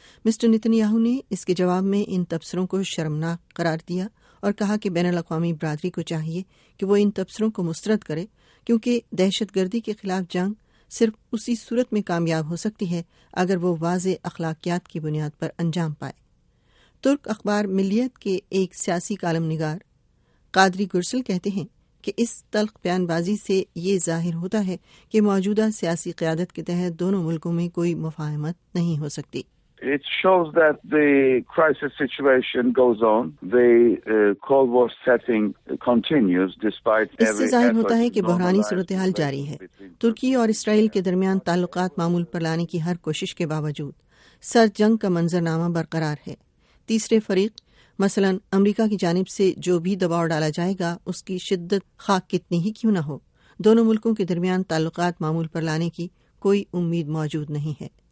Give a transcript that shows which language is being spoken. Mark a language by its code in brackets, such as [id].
[ur] Mister Nitin Yahoo نے اس کے جواب میں ان تبصروں کو شرمناک قرار دیا اور کہا کہ بین الاقوامی برادری کو چاہیے کہ وہ ان تبصروں کو مسترد کرے، کیونکہ دہشت گردی کے خلاف جنگ صرف اسی صورت میں کامیاب ہو سکتی ہے اگر وہ واضح اخلاقیات کی بنیاد پر انجام پائے. ترک اخبار ملیت کے ایک سیاسی کالم نگار قادری گرسل کہتے ہیں کہ اس تلخ بیان بازی سے یہ ظاہر ہوتا ہے کہ موجودہ سیاسی قیادت کے تحت دونوں ملکوں میں کوئی مفاہمت نہیں ہو سکتی. [en] It shows that the crisis situation goes on. The Cold War setting continues despite every effort. [ur] اس سے ظاہر ہوتا ہے کہ بحرانی صورتحال جاری ہے. ترکی اور اسرائیل کے درمیان تعلقات معمول پر لانے کی ہر کوشش کے باوجود سر جنگ کا منظر نامہ برقرار ہے. تیسرے فریق مثلا امریکہ کی جانب سے جو بھی دباؤ ڈالا جائے گا اس کی شدت خاک کتنی ہی کیوں نہ ہو، دونوں ملکوں کے درمیان تعلقات معمول پر لانے کی کوئی امید موجود نہیں ہے.